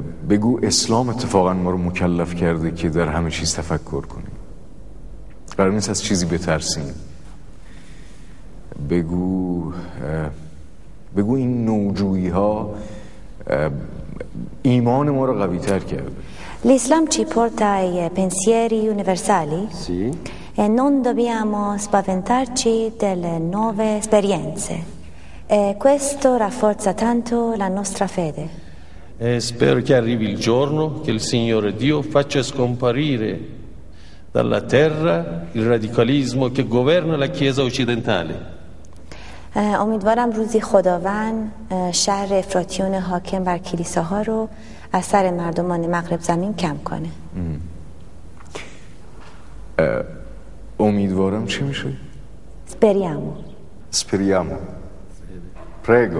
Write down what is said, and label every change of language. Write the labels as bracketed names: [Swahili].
[Persian] بگو اسلام اتفاقا ما رو مکلف کرده که در همه چیز تفکر کنیم، قرار نیست از چیزی بترسیم. بگو این نوجویی ها ایمان ما رو قوی تر کرده. [Italian] L'Islam ci porta ai pensieri universali. Sì. E non dobbiamo spaventarci delle nuove esperienze. E questo rafforza tanto la nostra fede. E spero che arrivi il giorno che il Signore Dio faccia scomparire dalla terra il radicalismo che governa la Chiesa occidentale. [Persian] امیدوارم روزی خداوند شر افراطیون حاکم بر کلیساها رو از سر مردمان مغرب زمین کم کنه. امیدوارم چی میشه؟ [Italian] سپریامو. سپریامو. پرگو.